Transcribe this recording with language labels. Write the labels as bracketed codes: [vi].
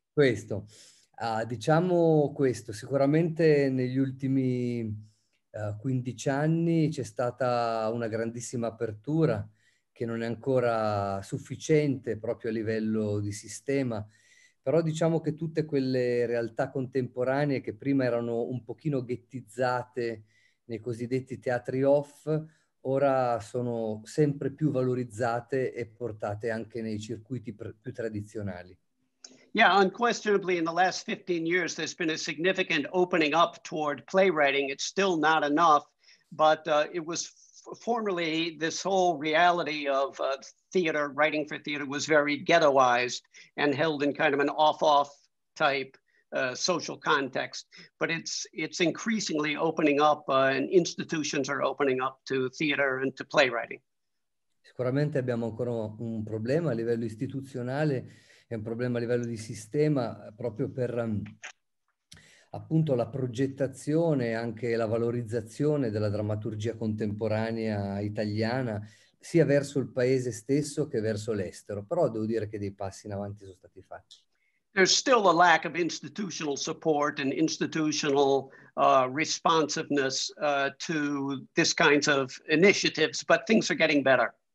[it] Questo, diciamo questo, sicuramente negli ultimi 15 anni c'è stata una grandissima apertura che non è ancora sufficiente proprio a livello di sistema, però diciamo che tutte quelle realtà contemporanee che prima erano un pochino ghettizzate nei cosiddetti teatri off, ora sono sempre più valorizzate e portate anche nei circuiti più tradizionali. [en] Yeah, unquestionably, in the last 15 years, there's been a significant opening up toward playwriting. It's still not enough, but it was formerly this whole reality of theater, writing for theater, was very ghettoized and held in kind of an off-off type social context. But it's increasingly opening up, and institutions are opening up to theater and to playwriting. [it] Sicuramente abbiamo ancora un problema a livello istituzionale. È un problema a livello di sistema, proprio per appunto la progettazione e anche la valorizzazione della drammaturgia contemporanea italiana, sia verso il paese stesso che verso l'estero. Però devo dire che dei passi in avanti sono stati fatti. [en] There's still a lack of institutional support and institutional responsiveness to this kinds of initiatives, but things are getting better.